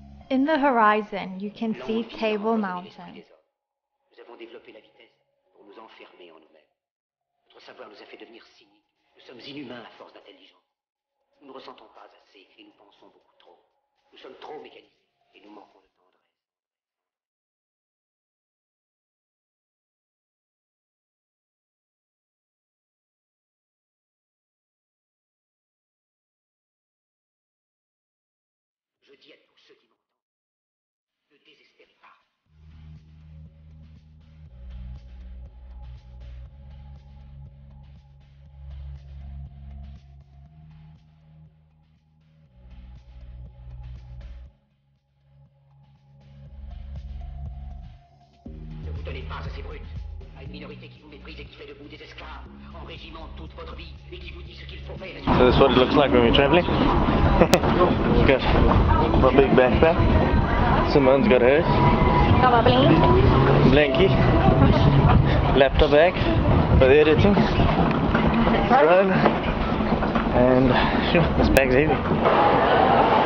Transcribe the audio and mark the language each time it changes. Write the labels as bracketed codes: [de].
[en] In the horizon, you can see Table Mountain. [fr] Nous avons développé la vitesse pour nous enfermer en nous-mêmes. Notre savoir nous a fait devenir cyniques. Nous sommes inhumains à force d'intelligence. Nous ne ressentons pas assez et nous pensons beaucoup trop. Nous sommes trop mécanisés et nous manquons de tendresse. Je dis à tous ceux qui ne vous donnez pas à ces brutes, à une minorité qui vous méprise et qui fait de vous des esclaves, en régiment toute votre vie et qui vous dit ce qu'il faut faire. [en] So this is what it looks like when we're traveling. Good. My big backpack. Simone's got hers. Got a blankie. Laptop bag for the editing. Run. And shoo, this bag's heavy.